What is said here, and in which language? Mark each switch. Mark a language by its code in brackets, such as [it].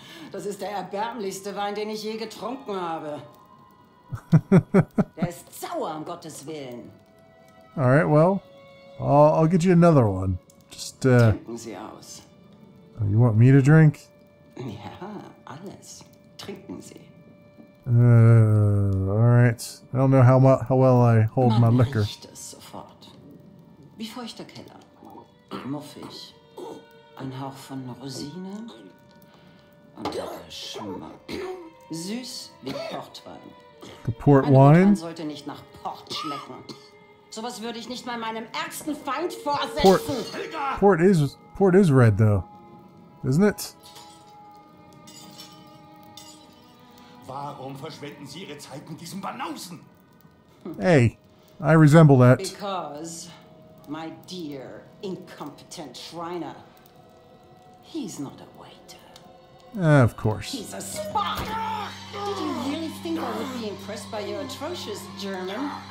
[de] Das ist der erbärmlichste Wein, den ich je getrunken habe. Der ist sauer, um Gottes Willen. [en] All right, well, I'll get you another one. Just, [de] Trinken Sie aus. [en] You want me to drink? [de] Ja, alles. Trinken Sie. [en] All right. I don't know how well I hold my liquor. [de] Man riecht es sofort. Wie feuchter Keller. Muffig. Ein Hauch von Rosine. Und der Geschmack. Süß wie Portwein. [en] The port wine? [de] Man sollte nicht nach Port schmecken. Sowas würde ich nicht mal meinem ärgsten Feind vorsetzen. [en] Port is red, though. Isn't it? [de] Warum verschwenden Sie Ihre Zeit mit diesem Banausen? [en] Hey, I resemble that. Because, my dear, incompetent Schreiner, he's not a waiter. Of course. He's a spy! Did you really think I would be impressed by your atrocious German?